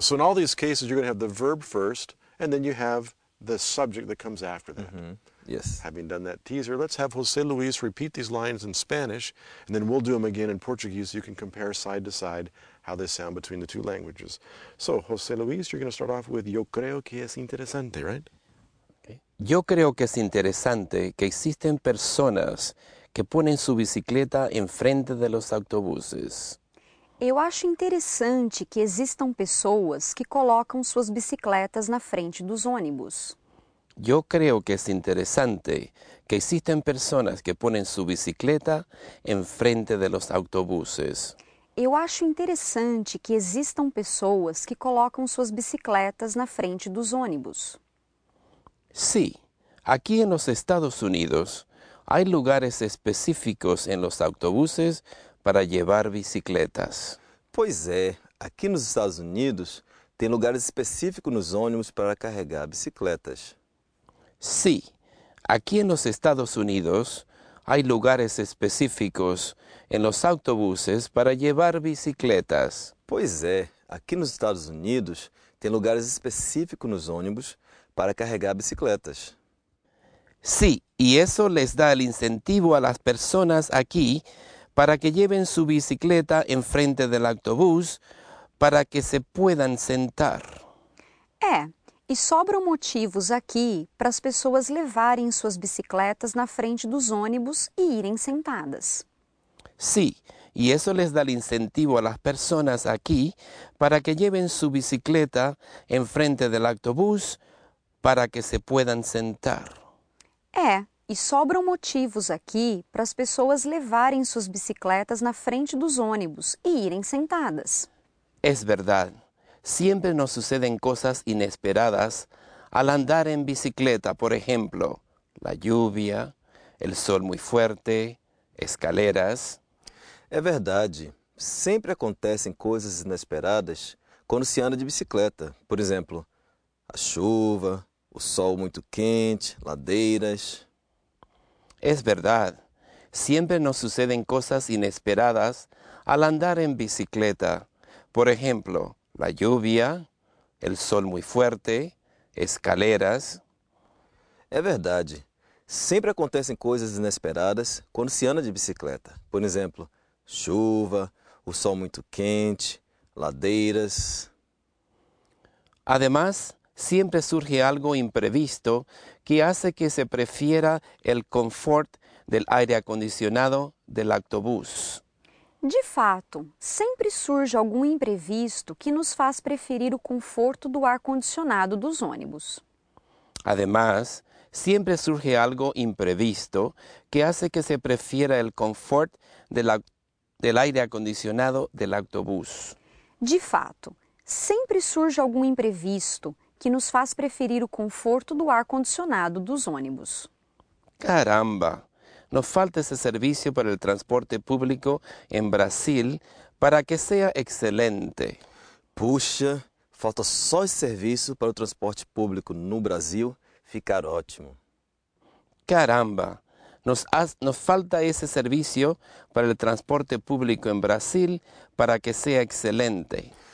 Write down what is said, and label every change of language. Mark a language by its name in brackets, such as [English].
[English] So in all these cases, you're going to have the verb first, and then you have the subject that comes after that. Mm-hmm. Yes. Having done that teaser, let's have José Luis repeat these lines in Spanish, and then we'll do them again in Portuguese so you can compare side to side how they sound between the two languages. So, José Luis, you're going to start off with [Spanish] Yo creo que es interesante, [English] right? Okay. [Spanish] Yo creo que es interesante que existen personas que ponen su bicicleta en frente de los autobuses. [Portuguese] Eu acho interessante que existam pessoas que colocam suas bicicletas na frente dos ônibus. [Spanish] Yo creo que es interesante que existen personas que ponen su bicicleta en frente de los autobuses. [Portuguese] Eu acho interessante que existam pessoas que colocam suas bicicletas na frente dos ônibus. [Spanish] Sí, aquí en los Estados Unidos hay lugares específicos en los autobuses para llevar bicicletas. [Portuguese] Pois é, aqui nos Estados Unidos tem lugares específicos nos ônibus para carregar bicicletas. [Spanish] Sí, aquí en los Estados Unidos hay lugares específicos en los autobuses para llevar bicicletas. [Portuguese] Pois é, aqui nos Estados Unidos tem lugares específicos nos ônibus para carregar bicicletas. [Spanish] Sí, y eso les da el incentivo a las personas aquí para que lleven su bicicleta en frente del autobús para que se puedan sentar. [Portuguese] É, e sobram motivos aqui para as pessoas levarem suas bicicletas na frente dos ônibus e irem sentadas. [Spanish] Sí, y eso les da el incentivo a las personas aquí para que lleven su bicicleta en frente del autobús para que se puedan sentar. [Portuguese] É, e sobram motivos aqui para as pessoas levarem suas bicicletas na frente dos ônibus e irem sentadas. [Spanish] Es verdad. Siempre nos suceden cosas inesperadas al andar en bicicleta, por ejemplo, la lluvia, el sol muy fuerte, escaleras. [Portuguese] É verdade. Sempre acontecem coisas inesperadas quando se anda de bicicleta. Por exemplo, a chuva, o sol muito quente, ladeiras. [Spanish] Es verdad. Siempre nos suceden cosas inesperadas al andar en bicicleta. Por ejemplo, la lluvia, el sol muy fuerte, escaleras. [Portuguese] É verdade. Sempre acontecem coisas inesperadas quando se anda de bicicleta. Por exemplo, chuva, o sol muito quente, ladeiras. [Spanish] Además, siempre surge algo imprevisto que hace que se prefiera el confort del aire acondicionado del autobús. [Portuguese] De fato, sempre surge algum imprevisto que nos faz preferir o conforto do ar-condicionado dos ônibus. [Spanish] Además, siempre surge algo imprevisto que hace que se prefiera el confort del aire acondicionado del autobús. [Portuguese] De fato, sempre surge algum imprevisto que nos faz preferir o conforto do ar-condicionado dos ônibus. [Spanish] Caramba! Nos falta ese servicio para el transporte público en Brasil para que sea excelente. [Portuguese] Puxa, falta só [Spanish] ese servicio para el [Portuguese] transporte público no Brasil ficar ótimo. [Spanish] Caramba, nos falta ese servicio para el transporte público en Brasil para que sea excelente.